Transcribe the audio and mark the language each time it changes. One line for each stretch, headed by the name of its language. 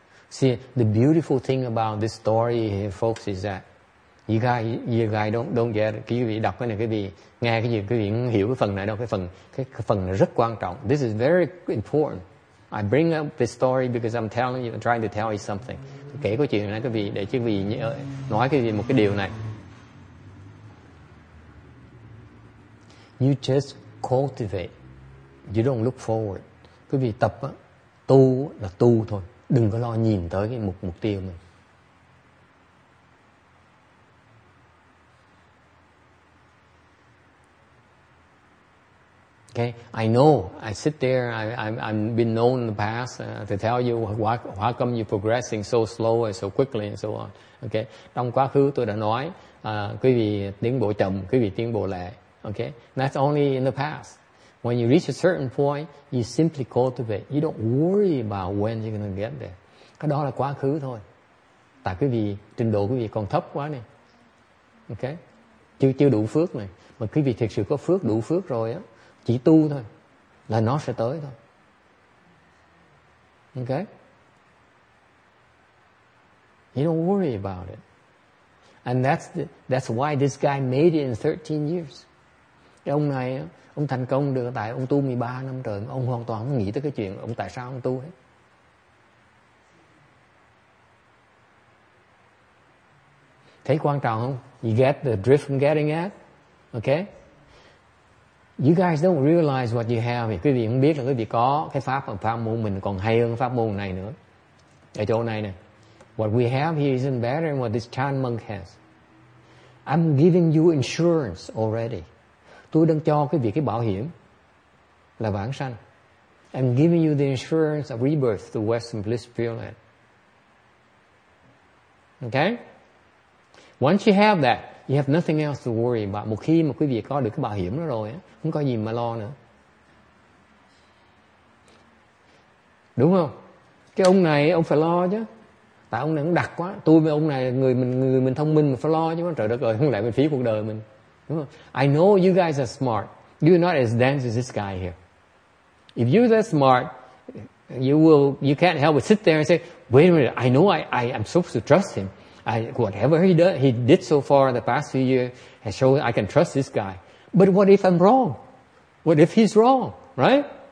English: See, the beautiful thing about this story here, folks, is that you guys don't get it.
Vietnamese: Quý vị đọc cái này, quý vị nghe cái gì, quý vị không hiểu cái phần này đâu. Cái phần này rất quan trọng.
English: This is very important. I bring up this story because I'm telling you, I'm trying to tell you something.
Vietnamese: Tôi kể cái chuyện này quý vị, để quý vị nói cái gì một cái điều này.
English: You just cultivate. You don't look forward.
Vietnamese: Quý vị tập á, tu là tu thôi. Đừng có lo nhìn tới cái mục tiêu mình.
English: Okay, I know. I sit there. I've been known in the past to tell you why come you're progressing so slow and so quickly and so on.
Vietnamese: Okay, trong quá khứ tôi đã nói, quý vị tiến bộ chậm, quý vị tiến bộ lẹ.
English: Okay, that's only in the past. When you reach a certain point, you simply cultivate. You don't worry about when you're going to get there.
Vietnamese: Cái đó là quá khứ thôi. Tại quý vị, trình độ quý vị còn thấp quá nè. Okay? chưa đủ phước này. Mà quý vị thực sự có phước, đủ phước rồi á, chỉ tu thôi là nó sẽ tới thôi.
English: Ok? You don't worry about it. And that's why this guy made it in 13 years.
Vietnamese: Cái ông này á, ông thành công được tại ông tu 13 năm trời. Ông hoàn toàn không nghĩ tới cái chuyện ông tại sao ông tu hết. Thấy quan trọng không?
English: You get the drift I'm getting at? Okay? You guys don't realize what you have.
Vietnamese: Quý vị không biết là quý vị có cái pháp môn mình còn hay hơn pháp môn này nữa. Ở chỗ này nè.
English: What we have here isn't better than what this Chan monk has. I'm giving you insurance already.
Vietnamese: Tôi đang cho quý vị cái bảo hiểm là vãng sanh.
English: I'm giving you the insurance of rebirth to Western Bliss Pure Land. Okay? Once you have that, you have nothing else to worry about.
Vietnamese: Một khi mà quý vị có được cái bảo hiểm đó rồi, không có gì mà lo nữa. Đúng không? Cái ông này ông phải lo chứ. Tại ông này cũng đặc quá. Tôi với ông này người mình thông minh mà phải lo chứ. Trời đất ơi, không lẽ mình phí cuộc đời mình. Đúng không?
English: I know you guys are smart. You're not as dense as this guy here. If you're that smart, you can't help but sit there and say, wait a minute, I know I'm supposed to trust him. Whatever he did so far in the past few years has shown I can trust this guy. But what if I'm wrong? What if he's wrong, right?